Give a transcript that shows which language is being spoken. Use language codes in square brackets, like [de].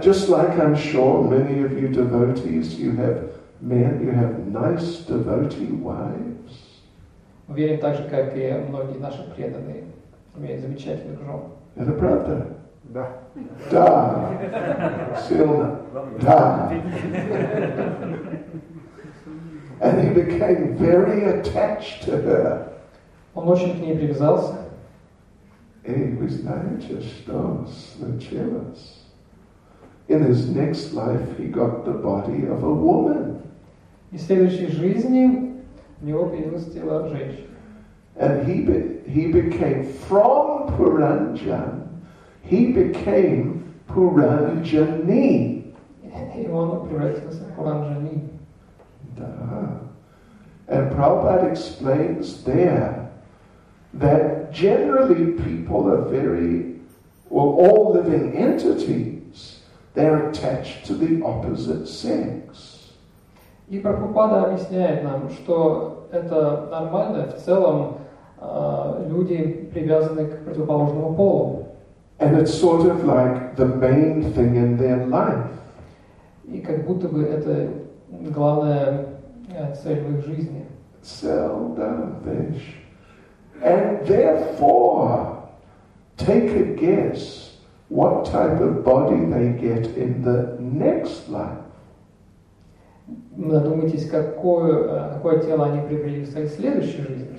[en] Just like I'm sure many of you devotees, you have. Men, you have nice devotee wives. [ru] Уверен так же, как и многие наши преданные, имеют замечательных жен. Это правда? Да. Да. Сильно. Да. [en] And he became very attached to her. [ru] Он очень к ней привязался. И вы знаете, что случилось? [en] In his next life, he got the body of a woman. [ru] И в следующей жизни у него появилось тело женщины. [en] And he became from Puranjan, he became Puranjani. [ru] И он превратился в Puranjani. Да. [en] And Prabhupada explains there that generally people are very, well, all living entities, they're attached to the opposite sex. [ru] И Прабхупада объясняет нам, что это нормально, в целом люди привязаны к противоположному полу. [en] And it's sort of like the main thing in their life. [ru] И как будто бы это главная цель в их жизни. Cell, да, вещь. [en] And therefore, take a guess what type of body they get in the next life. [ru] Надумайтесь, какое тело они приобрели в своей следующей жизни.